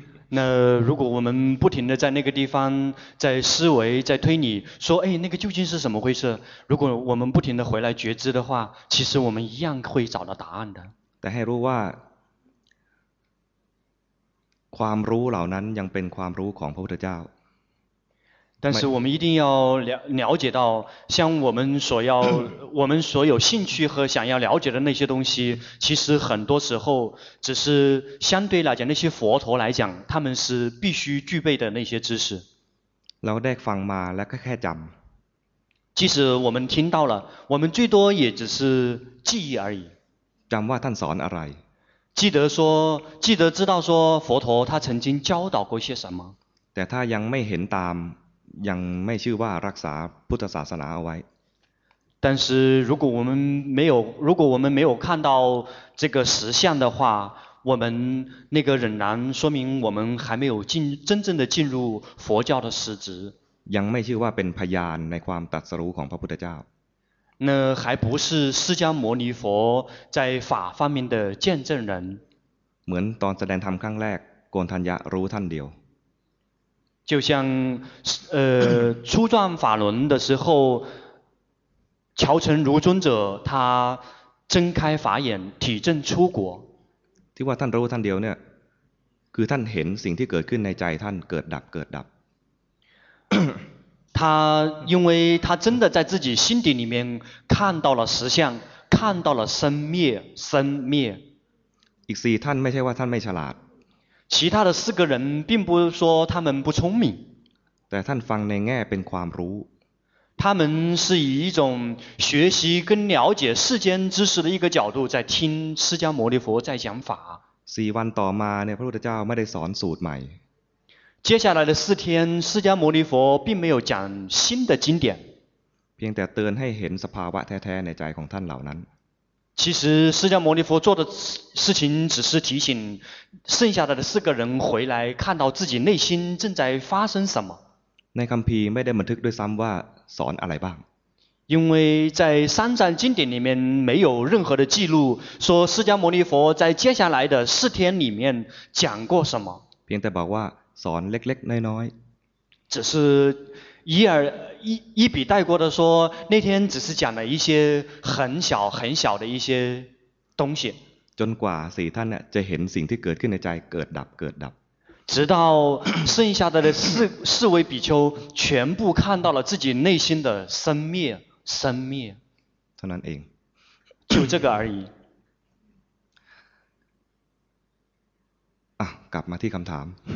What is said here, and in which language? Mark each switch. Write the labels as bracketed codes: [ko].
[zh] 那如果我们不停的在那个地方在思维在推理说哎那个究竟是什么回事如果我们不停的回来觉知的话其实我们一样会找到答案的 [th] แต่ให้รู้ว่าความรู้เหล่านั้นยังเป็นความรู้ของพระพุทธเจ้า [zh] 但是我们一定要了解到像我们所要我们所有兴趣和想要了解的那些东西其实很多时候只是相对来讲那些佛陀来讲他们是必须具备的那些知识 [th] แล้วได้ฟังมาแล้วก็แค่จำ [zh] 即使我们听到了我们最多也只是记忆而已 [th] จำว่าท่านสอนอะไร [zh] 记得知道说佛陀他曾经教导过些什么 [th] แต่ถ้ายังไม่เห็นตามยังไม่ชื่อว่ารักษาพุทธศาสนาเอาไว้ [zh] 但是如果我们没有如果我们没有看到这个实相的话我们那个仍然说明我们还没有真正的进入佛教的实质 [th] ยังไม่ชื่อว่าเป็นพยานในความตรัสรู้ของพระพุทธเจ้า [zh] 那还不是释迦牟尼佛在法方面的见证人 [th] เหมือนตอนแสดงธรรมครั้งแรกโกณฑัญญะรู้ท่านเดียว [zh] 就像初转法轮的时候乔成如尊者他睁开法眼体证出果 [th] ที่ว่าท่านรู้ท่านเดียวเนี่ยคือท่านเห็นสิ่งที่เกิดขึ้นในใจท่านเกิดดับเกิดดับ [zh] 他因为他真的在自己心底里面看到了实相看到了生灭 [th] อีกสี่ท่านไม่ใช่ว่าท่านไม่ฉลาด [zh] 其他的四个人并不说他们不聪明 [th] แต่ท่านฟังในแง่เป็นความรู้ [zh] 他们是以一种学习跟了解世间知识的一个角度在听释迦牟尼佛在讲法 [th] สี่วันต่อมาเนี่ยพระพุทธเจ้าไม่ได้สอนสูตรใหม่ [zh] 接下来的四天释迦牟尼佛并没有讲新的经典 [th] เพียงแต่เตือนให้เห็นสภาวะแท้ๆในใจของท่านเหล่านั้น [zh] 其实释迦牟尼佛做的事情只是提醒剩下的四个人回来看到自己内心正在发生什么。 [th] ในคัมภีร์ไม่ได้บันทึกด้วยซ้ำว่าสอนอะไรบ้าง [zh] 因为在三藏经典里面没有任何的记录说释迦牟尼佛在接下来的四天里面讲过什么。 [th] เพียงแต่บอกว่าสอนเล็กๆน้อย [zh] ๆ只是一笔带过的说那天只是讲了一些很小很小的一些东西 [th] จนกว่าสี่ท่านน่ะจะเห็นสิ่งที่เกิดขึ้นในใจเกิดดับเกิดดับ [zh] 直到剩下的四位比丘全部看到了自己内心的生灭生灭 [th] เท่านั้นเอง [zh] 就这个而已 [th] กลับมาที่คำถาม